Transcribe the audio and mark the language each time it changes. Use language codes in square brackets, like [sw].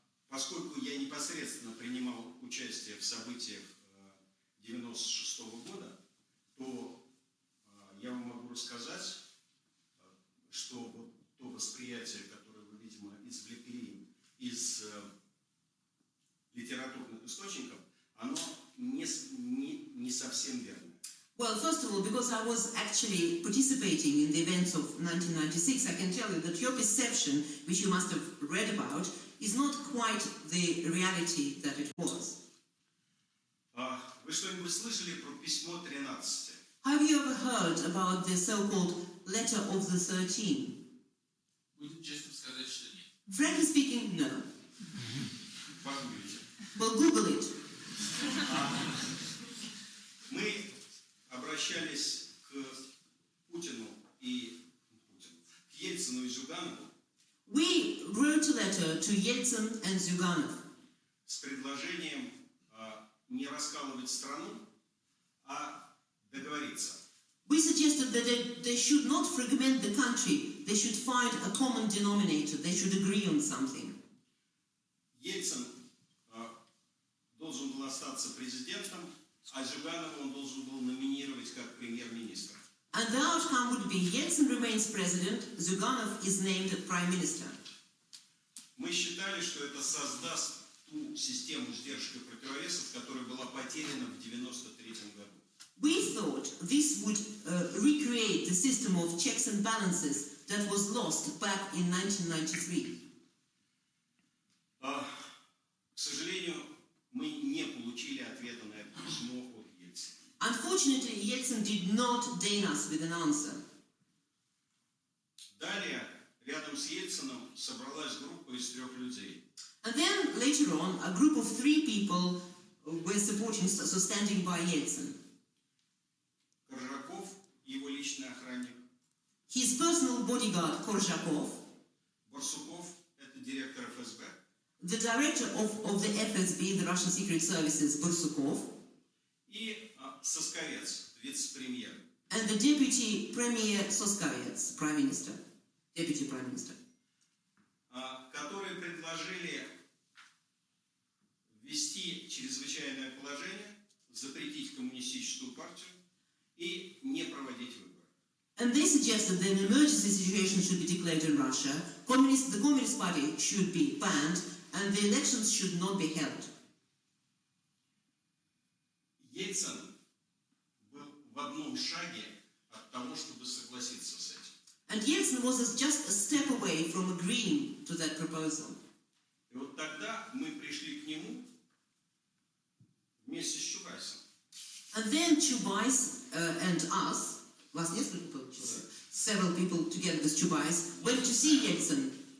[ru] Поскольку я непосредственно принимал участие в событиях 96-го года, то я вам могу рассказать, что вот то восприятие, которое вы, видимо, извлекли из литературных источников, оно не совсем верно. [en] Well, first of all, because I was actually participating in the events of 1996, I can tell you that your perception, which you must have read about, is not quite the reality that it was. [ru] Вы что-нибудь слышали про письмо 13? [en] Have you ever heard about the so-called letter of the 13? [ru] Будем честно сказать, что нет. [en] Frankly speaking, no. [ru] Погуглите. [en] Well, Google it. [ru] Мы обращались к Путину и к Ельцину и Зюганову. [en] We wrote a letter to Yeltsin and Zyuganov. [ru] С предложением не раскалывать страну, а договориться. [en] We suggested that they should not fragment the country. They should find a common denominator. They should agree on something. [ru] Ельцин должен был остаться президентом, а Зюганова он должен был номинировать как премьер-министр. [en] And the outcome would be Yeltsin remains president, Zyuganov is named prime minister. [ru] Мы считали, что это создаст ту систему сдержек и противовесов, которая была потеряна в 93-м году. [en] We thought this would recreate the system of checks and balances that was lost back in 1993. [ru] К сожалению, мы не получили ответа на это письмо. [en] Unfortunately, Yeltsin did not deign us with an answer. [ru] Далее, рядом с Ельцином собралась группа из трех людей. [en] And then, later on, a group of three people were supporting, so standing by Yeltsin. [ru] Коржаков, его личный охранник. [en] His personal bodyguard, Коржаков. [ru] Барсуков, это директор ФСБ. [en] The director of the FSB, the Russian Secret Services, Барсуков. [ru] И Сосковец, вице-премьер. [en] And the deputy premier Сосковец, prime minister, deputy prime minister. [ru] Которые предложили ввести чрезвычайное положение, запретить коммунистическую партию и не проводить выборы. [en] And they suggested that an emergency situation should be declared in Russia, the Communist Party should be banned, and the elections should not be held. [ru] Ельцин был в одном шаге от того, чтобы согласиться с этим. [en] And Yeltsin was just a step away from agreeing to that proposal. [ru] И вот тогда мы пришли к нему вместе с Чубайсом. [en] And then Chubais and us, was [ru] несколько [en] people, just several people together with Chubais, went to see Yeltsin.